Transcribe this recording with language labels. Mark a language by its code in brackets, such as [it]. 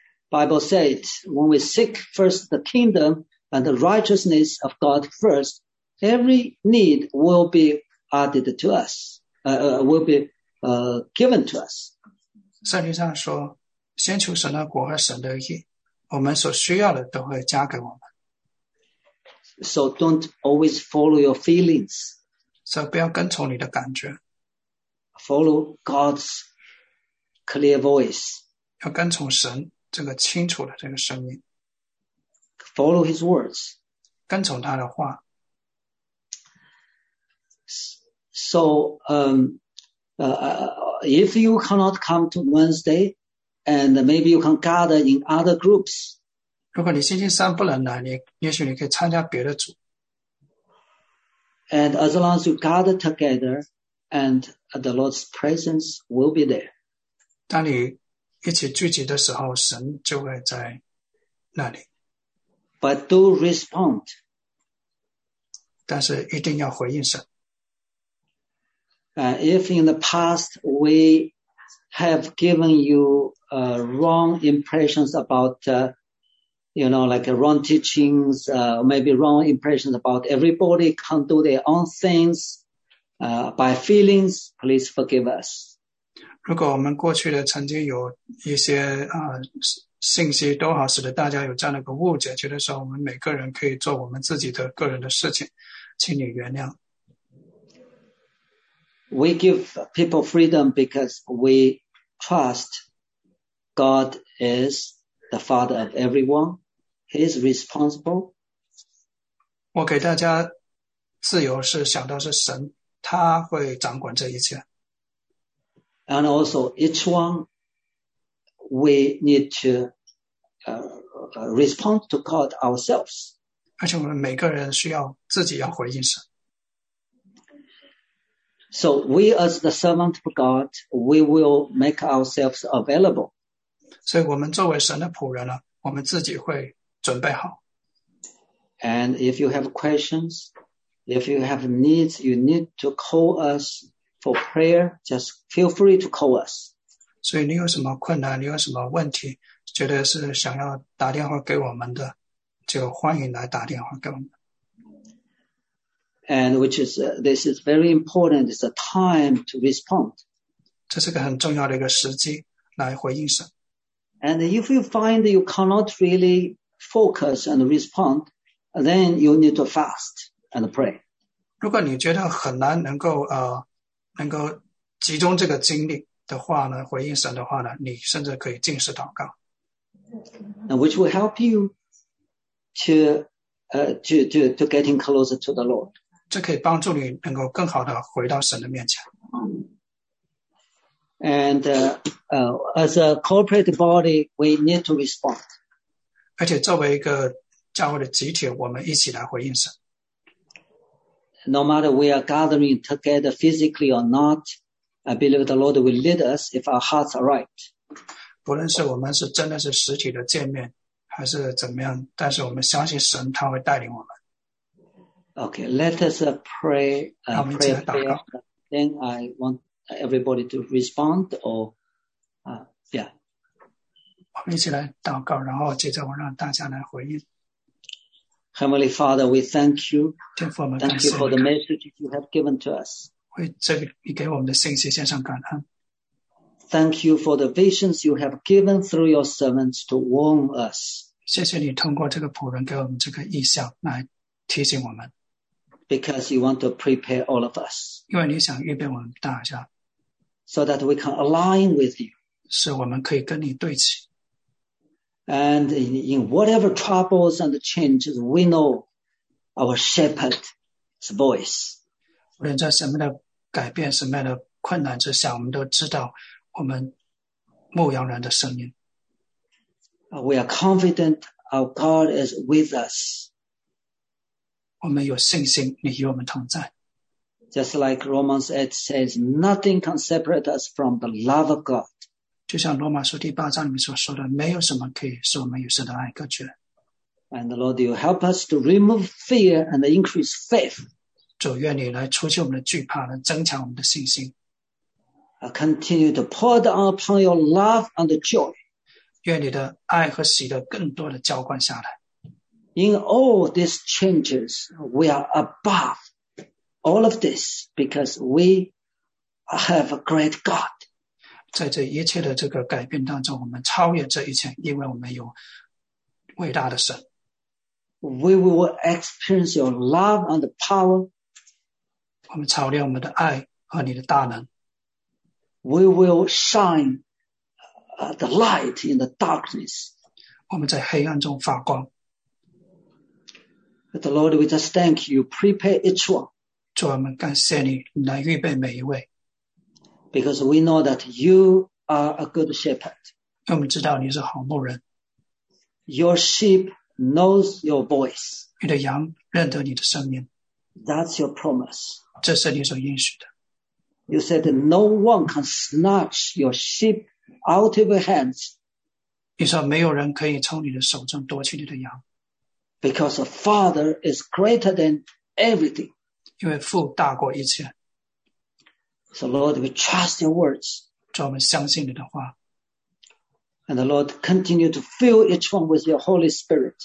[en] ？Bible says, when we seek first the kingdom and the righteousness of God first, every need will be added to us, will be given to us. [zh] 圣经上说，先求神的国和神的义，我们所需要的都会加给我们。 [en] So don't always follow your feelings. [zh] 所以不要跟从你的感觉。 [en] Follow God's. Clear voice. [zh] 要跟从神这个清楚的这个声音。 [en] Follow his words. [zh] 跟从他的话。 [en] So, if you cannot come to Wednesday, and maybe you can gather in other groups. [zh] 如果你星期三不能来，也许你可以参加别的组。 [en] And as long as you gather together, and the Lord's presence will be there. [zh] 当你一起聚集的时候，神就会在那里。 [en] But do respond. [zh] 但是一定要回应神。 [en] If in the past we have given you wrong impressions about, you know, like wrong teachings, maybe wrong impressions about everybody can do their own things by feelings, please forgive us. [zh] 如果我们过去的曾经有一些信息都好使得大家有这样的一个误解，觉得说我们每个人可以做我们自己的个人的事情，请你原谅。 [en] We give people freedom because we trust God is the father of everyone. He is responsible. [zh] 我给大家自由是想到是神，他会掌管这一切。 [en] And also each one, we need to respond to God ourselves. [zh] 而且我们每个人需要自己要回应神。 [en] So we as the servant of God, we will make ourselves available. [zh] 所以我们作为神的仆人呢，我们自己会准备好。 [en] And if you have questions, if you have needs, you need to call us for prayer. Just feel free to call us. [zh] 所以你有什么困难，你有什么问题，觉得是想要打电话给我们的，就欢迎来打电话给我们。 [en] And which is, this is very important, it's a time to respond. [zh] 这是个很重要的一个时机来回应神。 [en] And if you find you cannot really focus and respond, then you need to fast and pray. [zh] 如果你觉得很难能够能够集中这个精力的话呢，回应神的话呢，你甚至可以进食祷告。 [en] And which will help you to getting closer to the Lord. [zh] 这可以帮助你能够更好的回到神的面前。 [en] And as a corporate body, we need to respond. [zh] 而且作为一个教会的集体，我们一起来回应神。 [en] No matter we are gathering together physically or not, I believe the Lord will lead us if our hearts are right. [zh] 不论是我们是真的是实体的见面，还是怎么样，但是我们相信神他会带领我们。 [en] Okay, let us pray, pray, pray. Then I want everybody to respond or, yeah. [zh] 我们一起来祷告，然后接着我让大家来回应。 [en] Heavenly Father, we thank you. [zh] 天父，我们感谢。 [en] Thank you for the message you have given to us. [zh] 为这个你给我们的信息献上感恩。 [en] Thank you for the visions you have given through your servants to warn us. [zh] 谢谢你通过这个仆人给我们这个意象来提醒我们。 [en] Because you want to prepare all of us. [zh] 因为你想预备我们大家。 [en] So that we can align with you. [zh] 是我们可以跟你对齐。 [en] And in whatever troubles and changes, we know our shepherd's voice. [zh] 无论在什么的改变，什么样的困难之下，我们都知道我们牧羊人的声音。 [en] We are confident our God is with us. [zh] 我们有信心你与我们同在。 [en] Just like Romans 8 says, nothing can separate us from the love of God. [zh] 就像罗马书第八章里面所说的，没有什么可以使我们与神的爱隔绝。 [en] And Lord, you help us to remove fear and increase faith. [zh] 主，愿你来除去我们的惧怕，来增强我们的信心。 [en] Continue to pour down upon your love and joy. [zh] 愿你的爱和喜乐更多的浇灌下来。 [en] In all these changes, we are above all of this because we have a great God. [zh] 在这一切的这个改变当中，我们超越这一切，因为我们有伟大的神。 [en] We will experience your love and power. [zh] 我们超越我们的爱和你的大能。 [en] We will shine the light in the darkness. [zh] 我们在黑暗中发光。 [en] But the Lord, we just thank you. Prepare each one. [zh] 主，我们感谢你，来预备每一位。 [en] Because we know that you are a good shepherd. [zh] 我们知道你是好牧人。 [en] Your sheep knows your voice. [zh] 你的羊认得你的声音。 [en] That's your promise. [zh] 这是你所应许的。 [en] You said that no one can snatch your sheep out of your hands. [zh] 你说没有人可以从你的手中夺去你的羊。 [en] Because a father is greater than everything. [zh] 因为父大过一切。 [en] So Lord, we trust your words. [zh] 主，我们相信你的话。 [en] And the Lord continue to fill each one with your Holy Spirit.